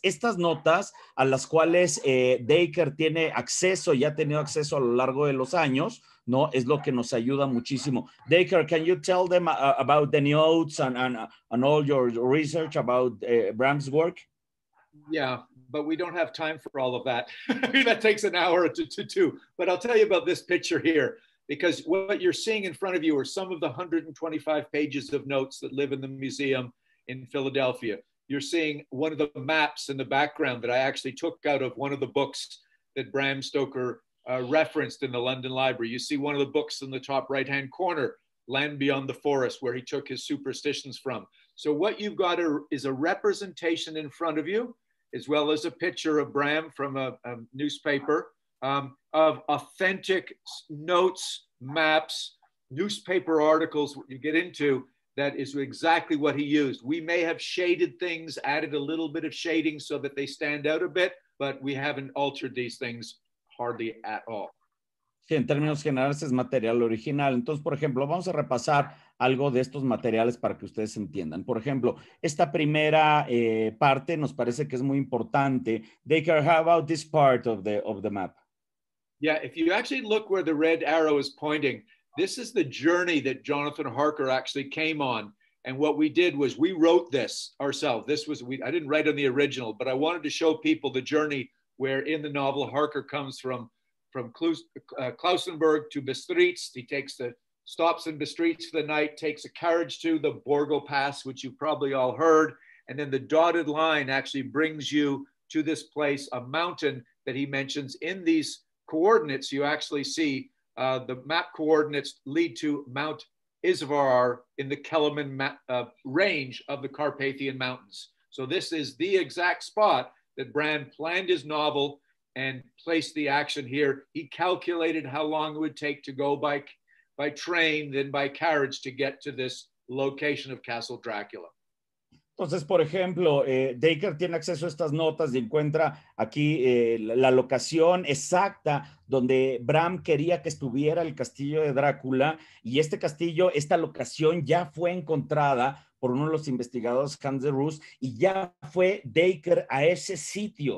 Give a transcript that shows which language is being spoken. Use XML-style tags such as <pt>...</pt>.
<es>Estas notas a las cuales Dacre tiene acceso y ha tenido acceso a lo largo de los años, no, es lo que nos ayuda muchísimo.</es> <en>Dacre, can you tell them about the notes and all your research about Bram's work? Yeah, but we don't have time for all of that. That takes an hour or two. But I'll tell you about this picture here, because what you're seeing in front of you are some of the 125 pages of notes that live in the museum in Philadelphia. You're seeing one of the maps in the background that I actually took out of one of the books that Bram Stoker referenced in the London Library. You see one of the books in the top right-hand corner, Land Beyond the Forest, where he took his superstitions from. So what you've got is a representation in front of you, as well as a picture of Bram from a newspaper, of authentic notes, maps, newspaper articles, what you get into, that is exactly what he used. We may have shaded things, added a little bit of shading so that they stand out a bit, but we haven't altered these things hardly at all.</en> <es>Sí, en términos generales es material original. Entonces, por ejemplo, vamos a repasar algo de estos materiales para que ustedes entiendan. Por ejemplo, esta primera parte nos parece que es muy importante.</es> <en>Dacre, how about this part of the map? Yeah, if you actually look where the red arrow is pointing, this is the journey that Jonathan Harker actually came on. And what we did was we wrote this ourselves. I didn't write on the original, but I wanted to show people the journey where in the novel Harker comes from Klausenburg to Bistritz. He takes the stops in Bistritz for the night, takes a carriage to the Borgo Pass, which you've probably all heard. And then the dotted line actually brings you to this place, a mountain that he mentions in these coordinates. You actually see the map coordinates lead to Mount Isvarar in the Kelemen range of the Carpathian Mountains. So this is the exact spot that Bram planned his novel and placed the action here. He calculated how long it would take to go by train, then by carriage to get to this location of Castle Dracula.</en> <es>Entonces, por ejemplo, Dacre tiene acceso a estas notas y encuentra aquí la locación exacta donde Bram quería que estuviera el castillo de Drácula, y este castillo, esta locación ya fue encontrada por uno de los investigadores, Hans de Roos, y ya fue Dacre a ese sitio.</es>